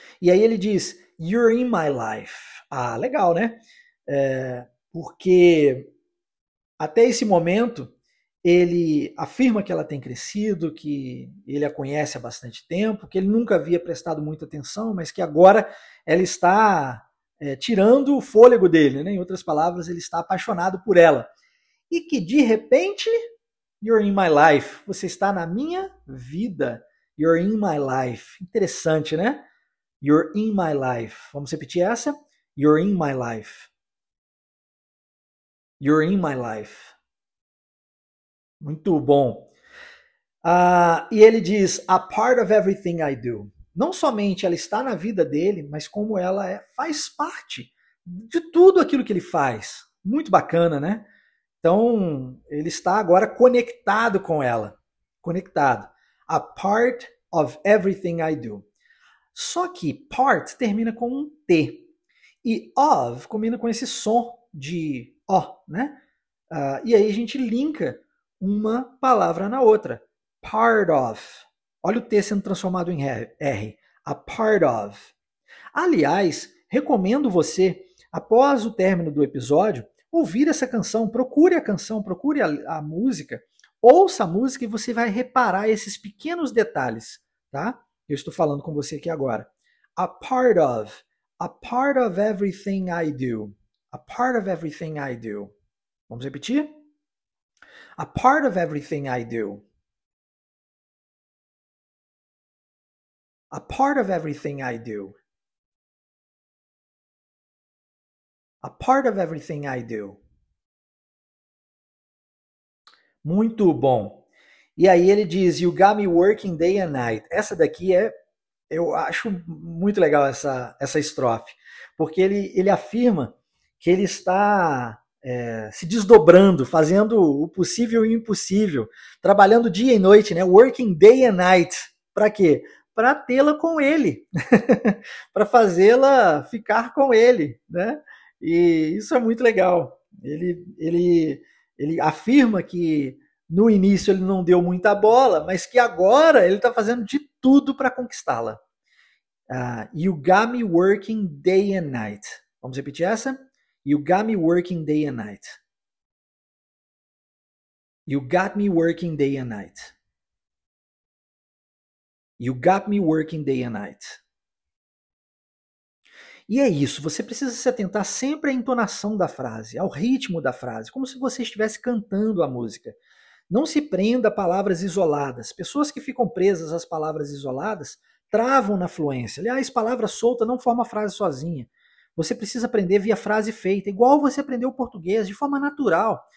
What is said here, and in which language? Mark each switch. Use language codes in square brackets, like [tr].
[pt] E aí ele diz, [en] you're in my life. [pt] Ah, legal, né? Porque até esse momento, ele afirma que ela tem crescido, que ele a conhece há bastante tempo, que ele nunca havia prestado muita atenção, mas que agora ela está tirando o fôlego dele. Né? Em outras palavras, ele está apaixonado por ela. E que, de repente, [en] you're in my life. [pt] Você está na minha vida. [en] You're in my life. [pt] Interessante, né? [en] You're in my life. [pt] Vamos repetir essa? [en] You're in my life. You're in my life. [pt] Muito bom. E ele diz, [en] a part of everything I do. [pt] Não somente ela está na vida dele, mas como ela faz parte de tudo aquilo que ele faz. Muito bacana, né? Então, ele está agora conectado com ela. Conectado. [en] A part of everything I do. [pt] Só que part termina com um T. E of combina com esse som de O, né? E aí a gente linka uma palavra na outra. [en] Part of. [pt] Olha o T sendo transformado em R. [en] A part of. [pt] Aliás, recomendo você, após o término do episódio, ouvir essa canção, procure a canção, procure a música, ouça a música e você vai reparar esses pequenos detalhes, tá? Eu estou falando com você aqui agora. [en] A part of everything I do. A part of everything I do. [pt] Vamos repetir? [en] A part of everything I do. A part of everything I do. A part of everything I do. [pt] Muito bom. E aí ele diz, [en] you got me working day and night. [pt] Essa daqui eu acho muito legal essa estrofe. Porque ele afirma que ele está se desdobrando, fazendo o possível e o impossível. Trabalhando dia e noite, né? [en] Working day and night. [pt] Para quê? Para tê-la com ele. Para fazê-la ficar com ele, né? E isso é muito legal. Ele afirma que no início ele não deu muita bola, mas que agora ele está fazendo de tudo para conquistá-la. [en] You got me working day and night. [pt] Vamos repetir essa? [en] You got me working day and night. You got me working day and night. You got me working day and night. [pt] E é isso, você precisa se atentar sempre à entonação da frase, ao ritmo da frase, como se você estivesse cantando a música. Não se prenda a palavras isoladas. Pessoas que ficam presas às palavras isoladas travam na fluência. Aliás, palavra solta não forma frase sozinha. Você precisa aprender via frase feita, igual você aprendeu o português, de forma natural.